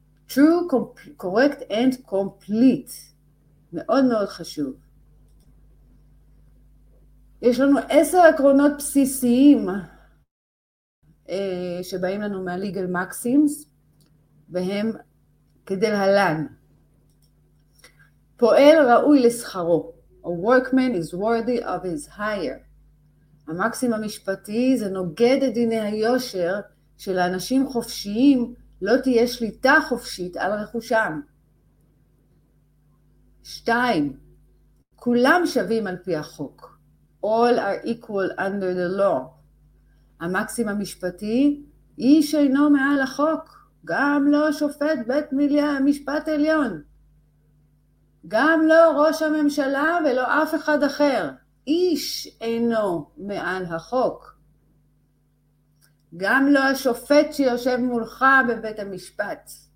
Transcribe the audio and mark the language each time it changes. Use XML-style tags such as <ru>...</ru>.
<en>True, correct and complete.</en> <he>מאוד מאוד חשוב. יש לנו 10 עקרונות בסיסיים שבאים לנו מהליגל מקסימס, והם כדלהלן. פועל ראוי לשכרו.</he> <en>A workman is worthy of his hire.</en> <he>המקסים המשפטי זה נוגד את דיני היושר של האנשים חופשיים, לא תהיה שליטה חופשית על רכושם. 2. כולם שווים על פי החוק.</he> <en>All are equal under the law.</en> <he>המקסים המשפטי, איש אינו מעל החוק, גם לא שופט בית משפט עליון. גם לא ראש הממשלה ולא אף אחד אחר. איש אינו מעל החוק. גם לא השופט שיושב מולך בבית המשפט.</he>